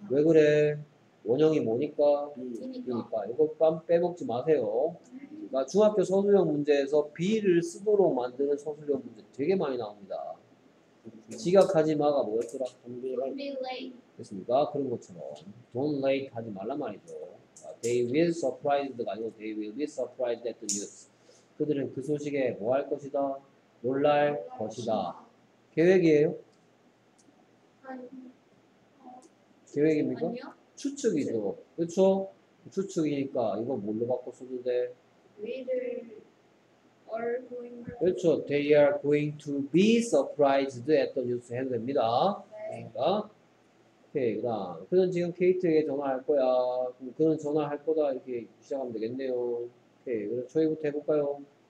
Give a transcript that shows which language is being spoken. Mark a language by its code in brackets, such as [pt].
[ko] 왜 그래? 원형이 뭐니까? 그러니까 이것만 빼먹지 마세요. 나 중학교 서술형 문제에서 B를 쓰도록 만드는 서술형 문제 되게 많이 나옵니다. 지각하지 마가 뭐였더라? [en] Don't be late. [ko] 됐습니까? 그런 것처럼 [en] Don't late [ko] 하지 말라 말이죠. [en] They will surprised가 [ko] 아니고 [en] They will be surprised at the news. [ko] 그들은 그 소식에 뭐 할 것이다? 놀랄 것이다. 계획이에요? 계획입니까? 추측이죠. 그쵸? 추측이니까 이거 뭘로 바꿨어도 돼? [en] We are going to. [ko] 그렇죠. [en] They are going to be surprised at the news [ko] 해도 됩니다. 그러니까. 오케이. 그다음. 그는 지금 케이트에게 전화할 거야. 그는 전화할 거다 이렇게 시작하면 되겠네요. 오케이. 그럼 저희부터 해볼까요?